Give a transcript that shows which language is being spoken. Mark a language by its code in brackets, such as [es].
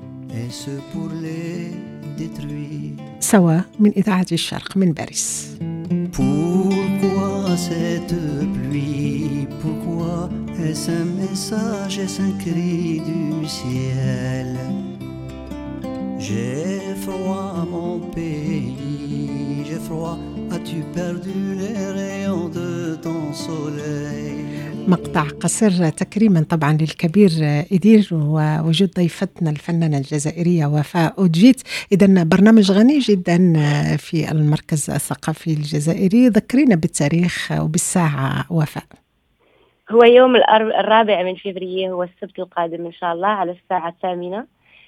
[fr] Est-ce pour les détruire? [ar] سوا من إذاعة الشرق من باريس. [fr] Pourquoi cette pluie? Pourquoi est-ce un message, est-ce un cri du ciel? J'ai froid à mon pays, j'ai froid. As-tu perdu les rayons de ton soleil? [ar] مقطع قصير تكريما طبعا للكبير إدير ووجود ضيفتنا الفنانة الجزائرية وفاء أوجيت. إذن برنامج غني جدا في المركز الثقافي الجزائري. ذكرينا بالتاريخ وبالساعة وفاء. هو يوم الرابع من فبراير, هو السبت القادم إن شاء الله على الساعة الثامنة.